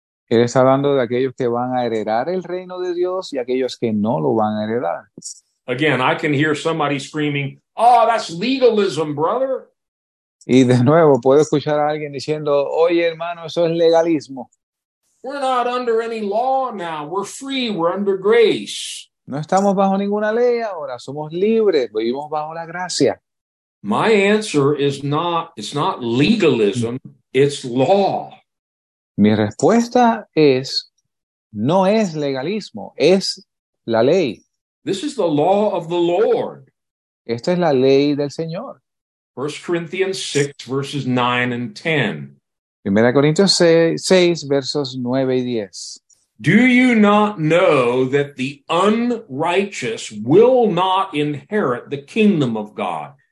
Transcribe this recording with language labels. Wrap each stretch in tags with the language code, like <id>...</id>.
<es>Él está hablando de aquellos que van a heredar el reino de Dios y aquellos que no lo van a heredar.</es> <en>Again, I can hear somebody screaming, "Oh, that's legalism, brother."</en> <es>Y de nuevo, puedo escuchar a alguien diciendo, oye, hermano, eso es legalismo.</es> <en>We're not under any law now. We're free. We're under grace.</en> <es>No estamos bajo ninguna ley ahora. Somos libres. Vivimos bajo la gracia.</es> <en>My answer is not, it's not legalism, it's law.</en> <es>Mi respuesta es, no es legalismo, es la ley.</es> <en>This is the law of the Lord.</en> <es>Esta es la ley del Señor.</es> <en>1 Corinthians 6, verses 9 and 10.</en> <es>1 Corintios 6, versos 9 y 10.</es> <en>Do you not know that the unrighteous will not inherit the kingdom of God?</en>